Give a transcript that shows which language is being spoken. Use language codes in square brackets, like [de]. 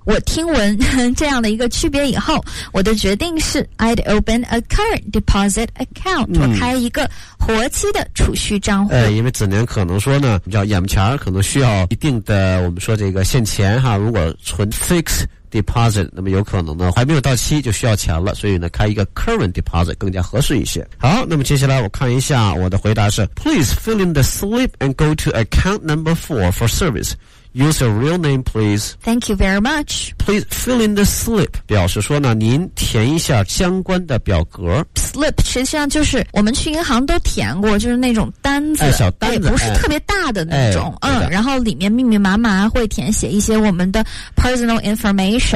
[zh] 我听闻这样的一个区别以后，我的决定是 I'd open a current deposit account，我开一个活期的储蓄账户。哎，因为子年可能说呢，叫眼前可能需要一定的，我们说这个现钱哈，如果存 fixed deposit， 那么有可能呢还没有到期就需要钱了，所以呢开一个 current deposit 更加合适一些。 [en] 好，那么接下来我看一下我的回答是 Please fill in the slip and go to account number 4 for service. Use your real name please. Thank you very much. [zh] Please fill in the slip 表示说呢您填一下相关的表格。 Slip 实际上就是我们去银行都填过，就是那种单子，哎，小单子，哎，不是特别大的那种，哎，嗯，然后里面密密麻麻会填写一些我们的 personal information，